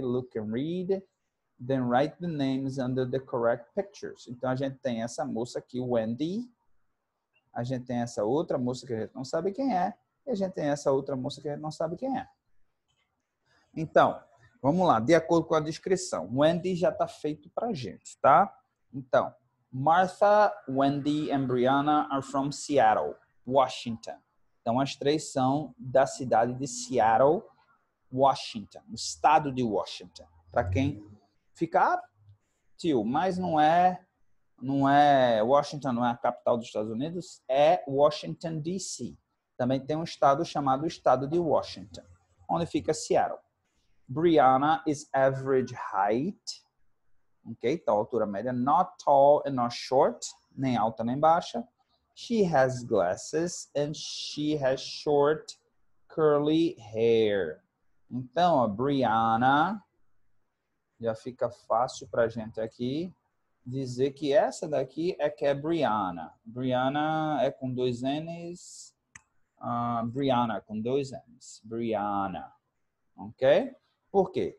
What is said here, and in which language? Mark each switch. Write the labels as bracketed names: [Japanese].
[English] Look and read. Then write the names under the correct pictures. [Portuguese] Então, a gente tem essa moça aqui, Wendy. A gente tem essa outra moça que a gente não sabe quem é. E a gente tem essa outra moça que a gente não sabe quem é. Então, vamos lá. De acordo com a descrição, Wendy já está feito para a gente, tá? Então, [English] Martha, Wendy and Brianna are from Seattle, Washington. [Portuguese] Então, as três são da cidade de Seattle, Washington. O estado de Washington. Para quem... Ficar, tio, mas não é Washington, não é a capital dos Estados Unidos, é Washington, D.C. Também tem um estado chamado Estado de Washington, onde fica Seattle. [English] Brianna is average height, ok, [Portuguese] então altura média, [English] not tall and not short, [Portuguese] nem alta nem baixa. [English] She has glasses and she has short curly hair. [Portuguese] Então, ó, Brianna, já fica fácil para a gente aqui dizer que essa daqui é que é Brianna. Brianna é com dois N's. Brianna com dois N's. Brianna. Ok? Por quê?